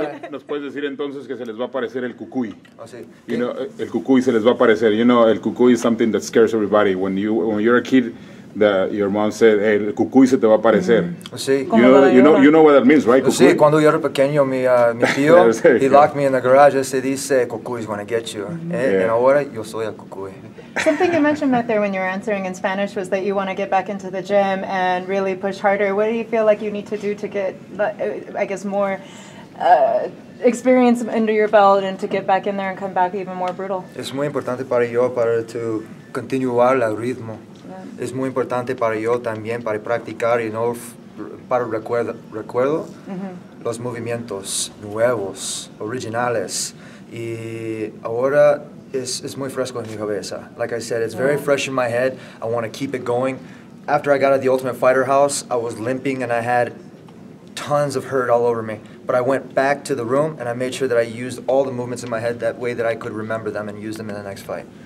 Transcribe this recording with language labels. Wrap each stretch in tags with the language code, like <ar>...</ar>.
<es>Nos puedes decir entonces que se les va a aparecer el cucuy. Oh, sí.</es> <en>You know,</en> <es>el cucuy se les va a aparecer.</es> <en>You know, el cucuy is something that scares everybody. When you when you're a kid, the, your mom said, hey,</en> <es>el cucuy se te va a aparecer. Mm-hmm. Sí.</es> <en>You know what that means, right?</en> <es>Cucuy? Sí, cuando yo era pequeño, mi tío,</es> <en>he locked me in the garage.</en> <es>Se dice,</es> <en>cucuy is going to get you.</en> <es>Mm-hmm.</es> <en>Yeah. And</en> <es>ahora yo soy el cucuy.</es> <en>Something you mentioned out there when you were answering in Spanish was that you want to get back into the gym and really push harder. What do you feel like you need to do to get, I guess, more experience under your belt and to get back in there and come back even more brutal?</en> <es>Es muy importante para yo para</es> <en>to</en> <es>continuar el ritmo. Es muy importante para yo también para practicar y no para recuerdo los movimientos nuevos, originales. Y ahora es muy fresco en mi cabeza.</es> <en>Like I said, it's very fresh in my head. I want to keep it going. After I got at the Ultimate Fighter house, I was limping and I had tons of hurt all over me. But I went back to the room and I made sure that I used all the movements in my head that way that I could remember them and use them in the next fight.</en>